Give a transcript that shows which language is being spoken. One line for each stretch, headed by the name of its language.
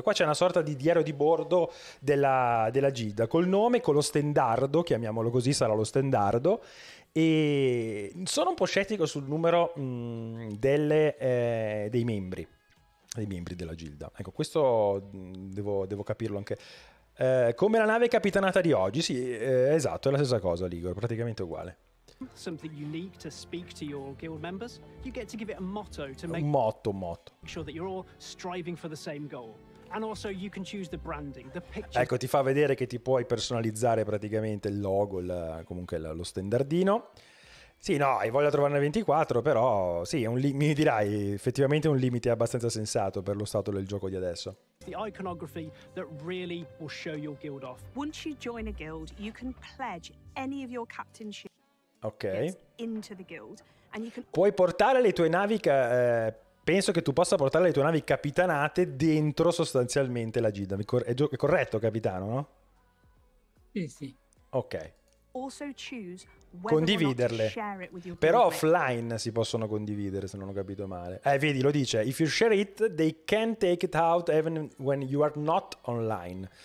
Italian: Qua c'è una sorta di diario di bordo della Gilda, col nome, con lo stendardo, chiamiamolo così, sarà lo stendardo, e sono un po' scettico sul numero dei membri. Dei membri della Gilda. Ecco, questo devo capirlo anche. Come la nave capitanata di oggi, sì, esatto, è la stessa cosa, Ligor, praticamente uguale.
English: Something unique to speak to your guild members. You get to give it a motto to make
Italian: un motto.
English: Sure that you're all striving for the same goal. And also you can choose the branding, the picture.
Italian: Ecco, ti fa vedere che ti puoi personalizzare praticamente il logo, lo stendardino. Sì, no, hai voglia di trovarne 24, però sì, mi dirai, effettivamente è un limite abbastanza sensato per lo stato del gioco di adesso.
English: The iconography that really will show your guild off. Once you join a guild, you can pledge any of your captainship. Ok. Into the guild, and you can...
Italian: Puoi portare le tue navi, penso che tu possa portare le tue navi capitanate dentro sostanzialmente la Gilda. È corretto, capitano, no? Sì. Ok.
English: Also choose...
Italian: Condividerle, però offline si possono condividere, se non ho capito male. Vedi, lo dice:
English: if you share it, they can take it out even when you are not online.